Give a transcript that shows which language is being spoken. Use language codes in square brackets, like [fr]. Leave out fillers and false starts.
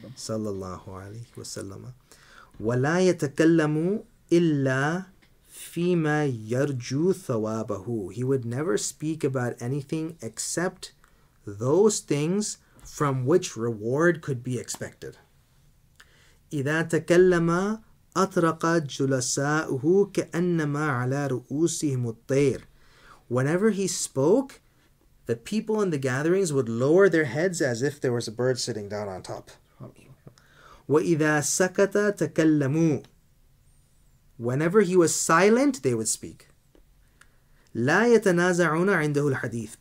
[ar] alayhi wa sallam. وَلَا يَتَكَلَّمُ إِلَّا فِيمَا يَرْجُو ثَوَابَهُ. [en] He would never speak about anything except those things from which reward could be expected. [ar] إِذَا تَكَلَّمَ أَطْرَقَ جُلَسَاءُهُ كَأَنَّمَا عَلَى رُؤُوسِهِمُ الطَّيْرِ. [en] Whenever he spoke, the people in the gatherings would lower their heads as if there was a bird sitting down on top. [ar] وَإِذَا سَكَتَ تَكَلَّمُوا. [en] Whenever he was silent, they would speak. [ar] لَا يَتَنَازَعُونَ عِنْدَهُ الْحَدِيثِ.